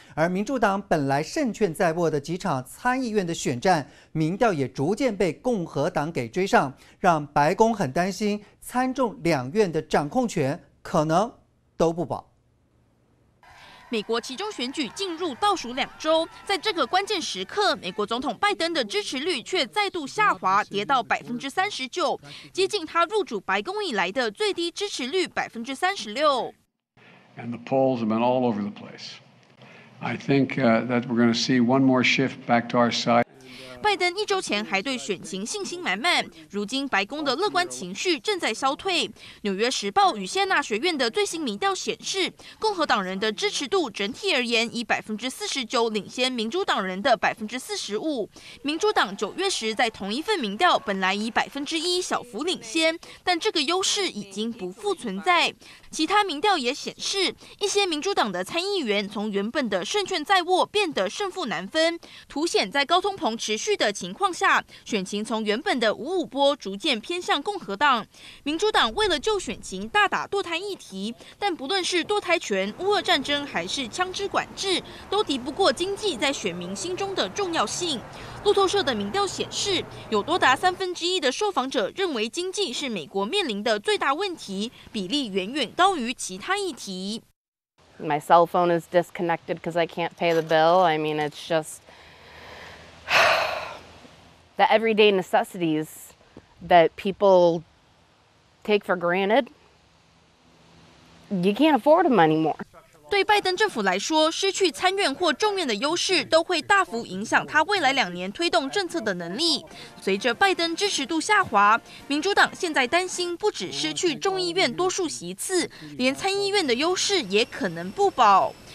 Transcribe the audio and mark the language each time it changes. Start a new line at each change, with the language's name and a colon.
Chinese: 而民主党本来胜券在握的几场参议院的选战，民调也逐渐被共和党给追上，让白宫很担心参众两院的掌控权可能都不保。美国其中选举进入倒数两周，在这个关键时刻，美国总统拜登的支持率却再度下滑，跌到39%，接近他入主白宫以来的最低支持率36%。
English: And the polls have been all over the place. I think that we're going to see one more shift back to our side.
Chinese: 拜登一周前还对选情信心满满，如今白宫的乐观情绪正在消退。 《纽约时报》与谢纳学院的最新民调显示，共和党人的支持度整体而言以49%领先民主党人的45%。民主党9月时在同一份民调本来以1%小幅领先，但这个优势已经不复存在。其他民调也显示，一些民主党的参议员从原本的胜券在握变得胜负难分，凸显在高通膨持续的情况下，选情从原本的5-5逐渐偏向共和党。民主党为了救选情，大打堕胎议题，但不论是堕胎权、乌俄战争还是枪支管制，都敌不过经济在选民心中的重要性。路透社的民调显示，有多达1/3的受访者认为经济是美国面临的最大问题，比例远远高于其他议题。
English: My cell phone is disconnected because I can't pay the bill. I mean, it's just. The everyday necessities that people take for granted, you can't afford them anymore.
Chinese: 对拜登政府来说，失去参院或众院的优势都会大幅影响他未来两年推动政策的能力。随着拜登支持度下滑，民主党现在担心不只失去众议院多数席次，连参议院的优势也可能不保。